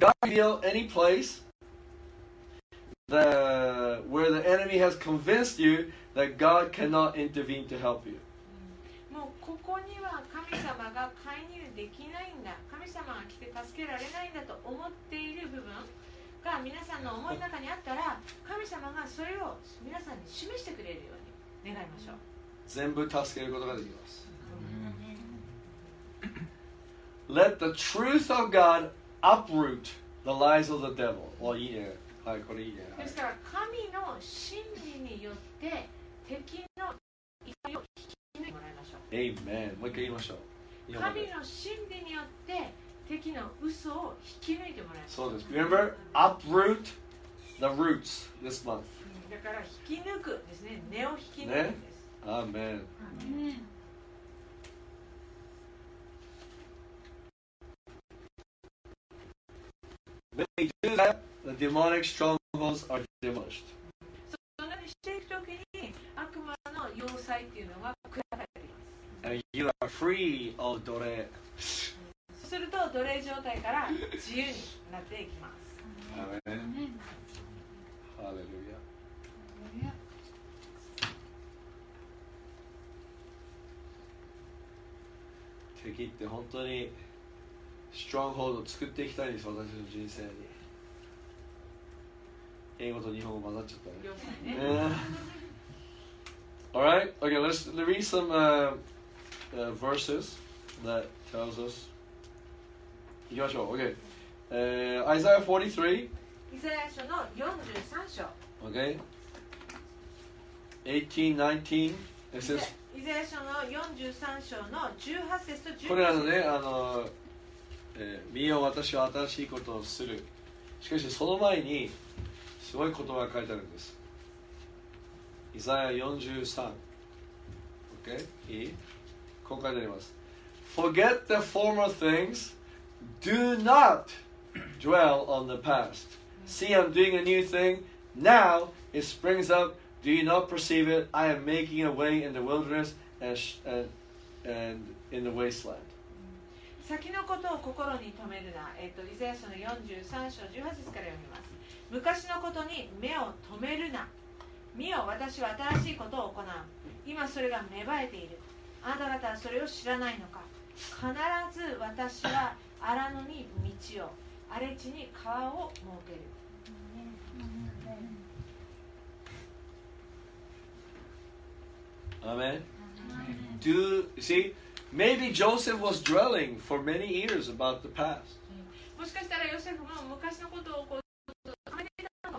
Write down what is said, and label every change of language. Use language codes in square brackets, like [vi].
[en] God reveal any place the, where the enemy has convinced you that God cannot intervene to help you. [ja] もうここには神様が介入できないんだ、神様が来て助けられないんだと思っている部分が皆さんの思いの中にあったら、神様がそれを皆さんに示してくれるように願いましょう。全部助けることができます。 [en] Let the truth of God uproot the lies of the devil. Well, [ja] いいね。はい、これいいね。ですから、神の真理によって敵の怒りを引き抜いてもらいましょう。 [en] Amen。 [ja] もう一回言いましょう。神の真理によって敵の嘘を引き抜いてもらいましょう。そうです。 [en] Remember, uproot the roots this month. [ja] だから、引き抜くですね。根を引き抜くんです。 [en] ね、Amen. When they do that, the demonic strongholds are demolished. [ja] So, そんなにしていくときに悪魔の要塞っていうのが砕かれています。 [en] And you are free of 奴隷。 [ja] そうすると奴隷状態から自由になっていきます。 [en] Amen. Hallelujah. [ja] 敵って本当にストロングホールドを作っていきたいんです、私の人生に。英語と日本語混ざっちゃったね。 [en] All right, okay, let's read some verses that tells us. [ja] 行きましょう。 [en] Okay, Isaiah 43. [ja] イザヤ書の43章。 [en] Okay, 18-19. It says. [ja] イザヤ書の43章の18節と19節。これはね、見よ、私は新しいことをする。しかしその前にすごい言葉が書いてあるんです。イザヤ43 OK? いい？こう書いてあります。 [en] Forget the former things. Do not dwell on the past. See, I'm doing a new thing. Now it springs upDo you not perceive it? I am making a way in the wilderness and in the wasteland. [ja] 先のことを心に留めるな。イザヤ書の43章18節から読みます。昔のことに目を留めるな。見よ、私は新しいことを行う。今それが芽生えている。あなた方はそれを知らないのか。必ず私は荒野に道を、荒れ地に川を設ける。 [en] Amen. Do see, maybe Joseph was dwelling for many years about the past. [ja] もしかしたらヨセフも昔のことをこう考えていたかも